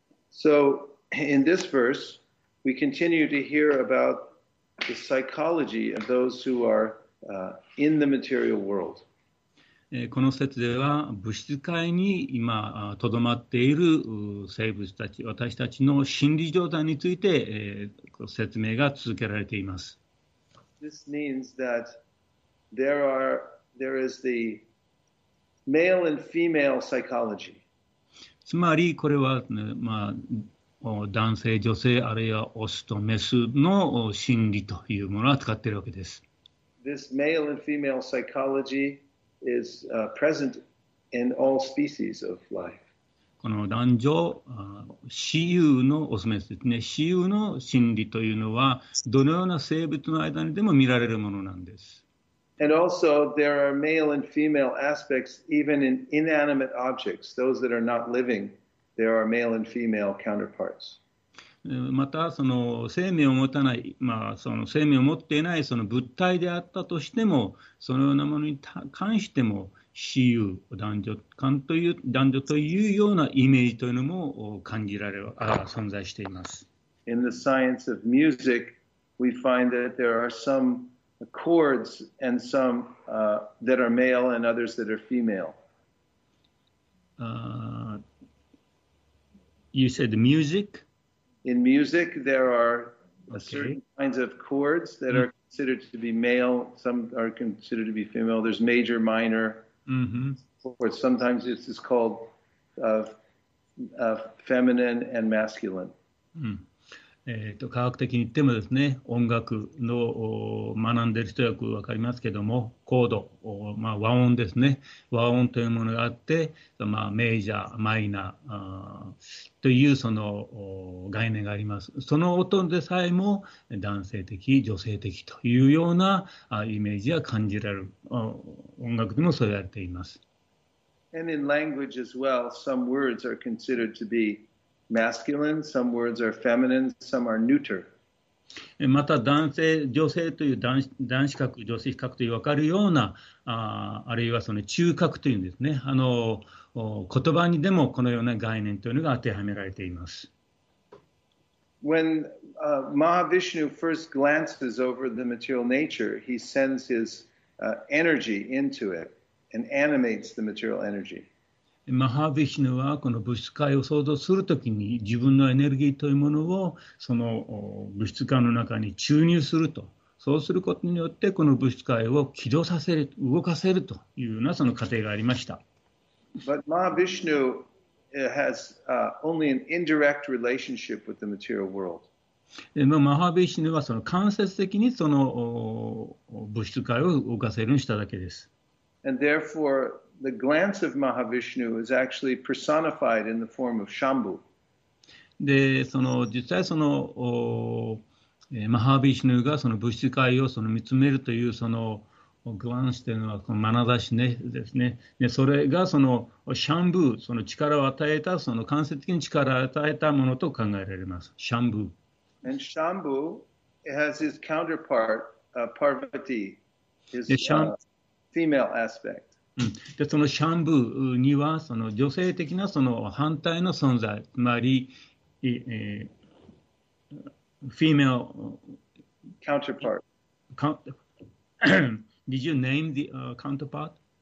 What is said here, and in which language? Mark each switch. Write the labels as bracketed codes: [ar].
[en] So, in this verse, we continue to hear about the psychology of those who are in the material world. [ja] この説では物質界に今とどまっている生物たち、私たちの心理状態について、説明が続けられています。 [en] This means that there is the male and female psychology. [ja] つまりこれは、ね、まあ、男性女性あるいはオスとメスの心理というものを扱っているわけです。 [en] This male and female psychology is present in all species of life. [ja] この男女雌雄のオスメスですね。雌雄の心理というのはどのような生物の間にでも見られるものなんです。 [en] And also, there are male and female aspects even in inanimate objects. Those that are not living, there are male and female counterparts. [ja] また、その生命を持たない、まあ、その生命を持っていないその物体であったとしても、そのようなものに関しても、雌雄、男女間という、男女というようなイメージというのも感じられる、存在しています。 [en] In the science of music, we find that there are some chords and some that are male and others that are female. You said music? In music, there are certain kinds of chords that are considered to be male. Some are considered to be female. There's major, minor. Or sometimes it's just called feminine and masculine. [ja] 科学的に言ってもですね、音楽の学んでる人よく分かりますけども、コード、まあ、和音ですね、和音というものがあって、まあ、メジャー、マイナーというその概念があります。その音でさえも男性的、女性的というようなイメージが感じられる。音楽でもそう言われています。 [en] And in language as well, some words are considered to beMasculine, some words are feminine, some are neuter. [ja] また男性、女性という男子格、女子格という分かるような、あるいはその中格というんですね、言葉にでもこのような概念というのが当てはめられています。 [en] When Mahavishnu first glances over the material nature, he sends his energy into it and animates the material energy. [ja] マハヴィシュヌはこの物質界を創造するときに自分のエネルギーというものをその物質界の中に注入すると、そうすることによってこの物質界を起動させる、動かせるというようなその過程がありました。 [en] But Mahavishnu has only an indirect relationship with the material world. [ja] マハヴィシュヌはその間接的にその物質界を動かせるにしただけです。 [en] And therefore,The glance of Mahavishnu is actually personified in the form of Shambhu. [ja] で、その実際その、マハヴィシュヌがその物質界をその見つめるというそのグランスというのはこの眼差しね、ですね。で、それがそのシャンブー、その力を与えた、その間接的に力を与えたものと考えられます。シャンブー。 [en] And Shambhu has his counterpart, Parvati, his female aspect. [ja] でそのシャンブーにはその女性的なその反対の存在、つまり、フィメル、 [en] counterpart。 Did you name the counterpart?